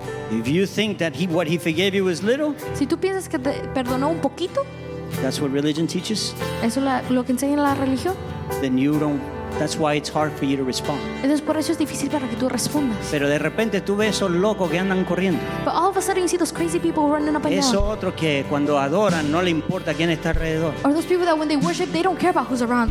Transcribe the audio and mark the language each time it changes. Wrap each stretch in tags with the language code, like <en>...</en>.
<en>If you think that what he forgave you was little,</en> <es>si tú piensas que te perdonó un poquito,</es> <en>that's what religion teaches.</en> <es>Eso es lo que enseña la religión.</es> <en>Then you don't. That's why it's hard for you to respond.</en> <es>Entonces por eso es difícil para que tú respondas. Pero de repente tú ves esos locos que andan corriendo.</es> <en>But all of a sudden you see those crazy people running up and down.</en> <es>Eso otro que cuando adoran no le importa quién está alrededor.</es> <en>Or those people that when they worship they don't care about who's around.</en>